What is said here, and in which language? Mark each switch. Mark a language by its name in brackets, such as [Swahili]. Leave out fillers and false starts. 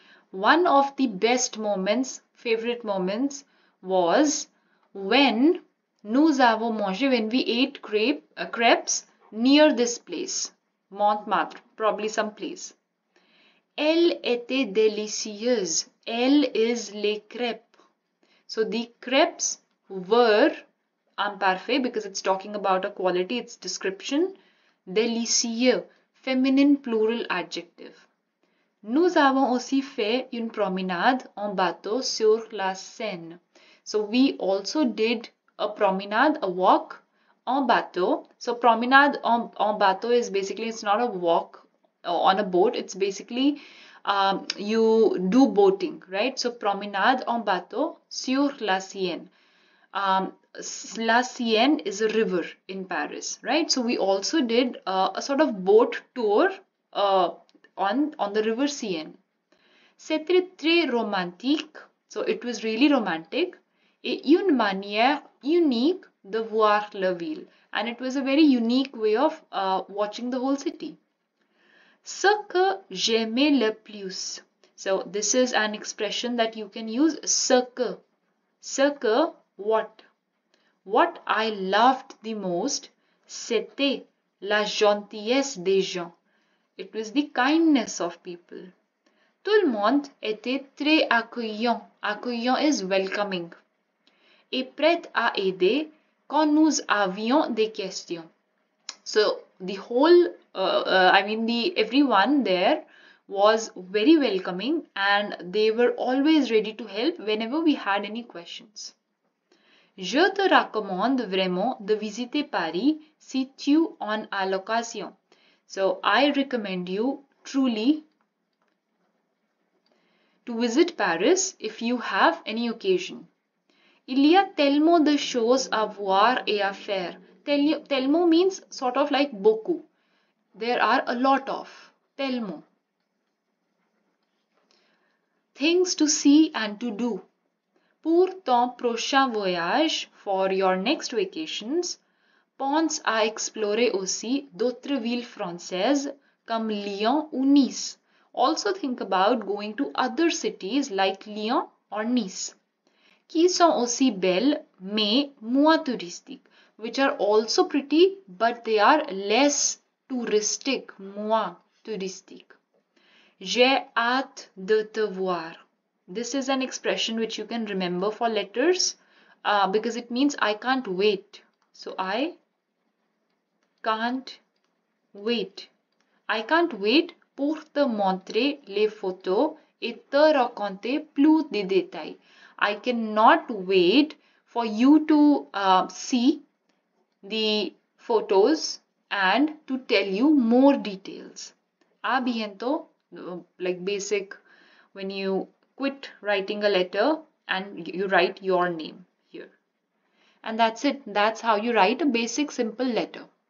[English] One of the best moments, favorite moments was when [French] nous avons mangé, [English] when we ate crêpes near this place, Montmartre, probably some place. [French] Elle était délicieuse. Elle is les crêpes. [English] So the crêpes were imparfait because it's talking about a quality, it's description. Délicieux, feminine plural adjective. [French] Nous avons aussi fait une promenade en bateau sur la Seine. [English] So we also did a promenade, a walk [French] en bateau. [English] So [French] promenade en bateau [English] is basically, it's not a walk on a boat, it's basically you do boating, right? So, [French] promenade en bateau sur la Seine. [English] La Seine is a river in Paris, right? So, we also did a sort of boat tour on the river Seine. [French] C'était très romantique. [English] So, it was really romantic. [French] Et une manière unique de voir la ville. [English] And it was a very unique way of watching the whole city. [French] Ce que j'aimais le plus. [English] So, this is an expression that you can use. [French] Ce que. Ce que, what. [English] What I loved the most, [French] c'était la gentillesse des gens. [English] It was the kindness of people. [French] Tout le monde était très accueillant. [English] Accueillant is welcoming. [French] Et prêt à aider quand nous avions des questions. [English] So, the whole, everyone there was very welcoming and they were always ready to help whenever we had any questions. [French] Je te recommande vraiment de visiter Paris si tu en as l'occasion. [English] So, I recommend you truly to visit Paris if you have any occasion. [French] Il y a tellement de choses à voir et à faire. [English] Tellement means sort of like beaucoup. There are a lot of. Tellement. Things to see and to do. [French] Pour ton prochain voyage, [English] for your next vacations, [French] pense à explorer aussi d'autres villes françaises comme Lyon ou Nice. [English] Also think about going to other cities like Lyon or Nice, [French] qui sont aussi belles mais moins touristiques, [English] which are also pretty but they are less touristic, [French] moins touristique. J'ai hâte de te voir. [English] This is an expression which you can remember for letters because it means I can't wait. So, I can't wait. I can't wait [French] pour te montrer les photos et te raconter plus de détails. [English] I cannot wait for you to see the photos and to tell you more details. [French] A bientôt, [English] like basic, when you quit writing a letter and you write your name here. And that's it. That's how you write a basic, simple letter.